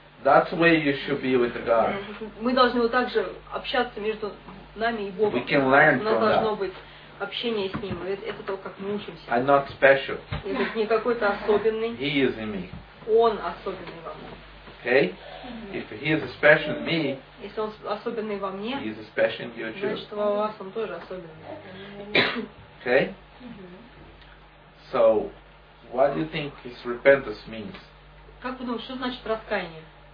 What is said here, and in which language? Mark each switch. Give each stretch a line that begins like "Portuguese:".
English: That's the way you should be with God.
Russian: Мы должны вот так же общаться между нами и Богом.
English: We can learn from
Russian: У нас должно
English: that.
Russian: Быть общение с Ним. Это то, как мы учимся.
English: I'm not special.
Russian: Это не какой-то особенный.
English: He is in me.
Russian: Он особенный во мне.
English: Okay? If he is special in me,
Russian: если он особенный во мне,
English: he is special in you too.
Russian: Значит, во вас он тоже особенный.
English: Okay? So, what do you think his repentance means?
Russian: Как вы думаете, что значит раскаяние?